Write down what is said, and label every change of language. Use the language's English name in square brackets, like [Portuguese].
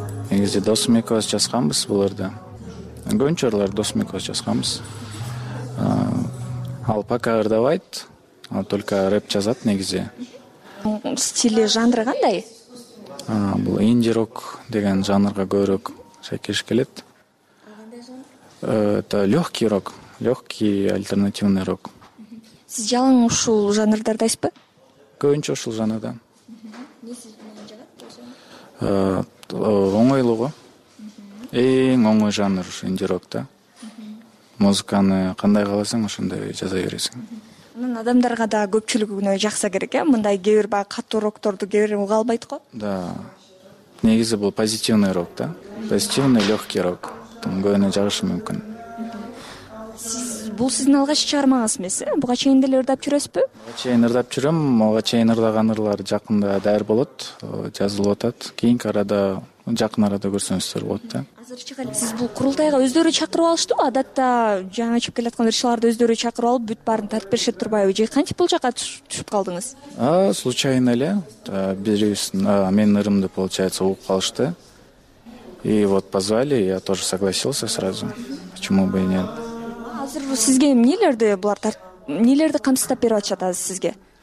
[Kyrgyz] Негизи досум экөөбүз жазганбыз бул ырды. Гончорлор досум экөөбүз жазганбыз. Ал пока ырдабайт, только рэп жазат негизи. Стили, жанры кандай? Бул инди-рок деген жанрга көбүрөөк шакеш келет. [Russian] Это легкий рок, легкий альтернативный рок. [Kyrgyz] Сиз жалаң ушул жанрдарды айтпы? Көбүнчө ушул жанрдан. Оңойлугу. Эң оңой жанр ушул инди-рок да. Музыканы кандай кааласаң ошондой жаза бересиң. Анан адамдарга да көпчүлүгүнө жакса керек э, мындай кээ бир баягы катуу рокторду кээ бирөө уга албайт го. Да, негизи бул позитивный рок да, [Russian] позитивный легкий рок, [Kyrgyz] көбүнө жагышы мүмкүн. Сиз, бул сиздин алгач чыгармаңыз эмес э, буга чейин деле ырдап жүрөсүзбү? Буга чейин ырдап жүрөм, буга чейин ырдаган ырлар жакында даяр болот, жазылып атат. Кийинки арада, жакын арада көрсөңүздөр болот да. Азырчыга эле сиз бул курултайга өздөрү чакырып алыштыбы? Адатта жаңы чыгып келаткан ырчыларды өздөрү чакырып алып бүт баарын тартып беришет турбайбы, же кантип бул жака түшүп калдыңыз? [Russian] Случайно [Kyrgyz] эле бирибиздин менин ырымды [Russian] получается [Kyrgyz] угуп калышты, [Russian] и вот позвали, я тоже согласился сразу, почему бы и нет. [Kyrgyz] Азыр сизге эмнелерди булар эмнелерди камсыздап берип атышат азыр сизге?